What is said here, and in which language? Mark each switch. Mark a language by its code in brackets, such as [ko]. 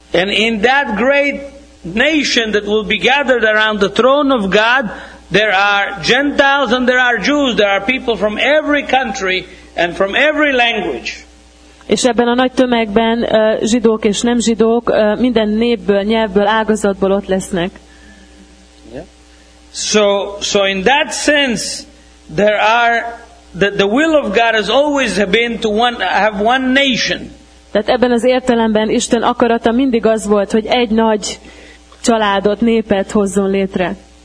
[en] And in that great nation that will be gathered around the throne of God, there are Gentiles and there are Jews. There are people from every country and from every language. [hu] És ebben a nagy tömegben zsidók és nem zsidók, minden népből, nyelvből, ágazatból ott lesznek. [en] So in that sense, there are the will of God has always been to have one nation. [hu] Tehát ebben az értelemben Isten akarata mindig az volt, hogy egy nagy családot, népet hozzon létre.